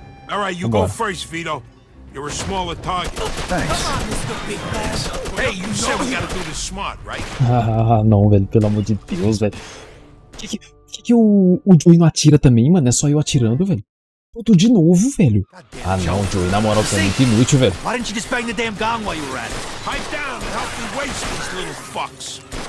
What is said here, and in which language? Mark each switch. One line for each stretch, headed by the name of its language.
English: All right, you go first, Vito. You're a smaller target. Thanks. Come on, Mr. Big Bass. Hey, you said we gotta do this smart, right?
Portuguese: Ah, não, velho, pelo amor de Deus, velho. O Joey não atira também, mano? É só eu atirando, velho. Puto, de novo, velho. Ah não, Joey, na moral, você é muito inútil, velho.
English: Why didn't you just bang the damn gong while you were at it? Hide down and help me waste these little fucks.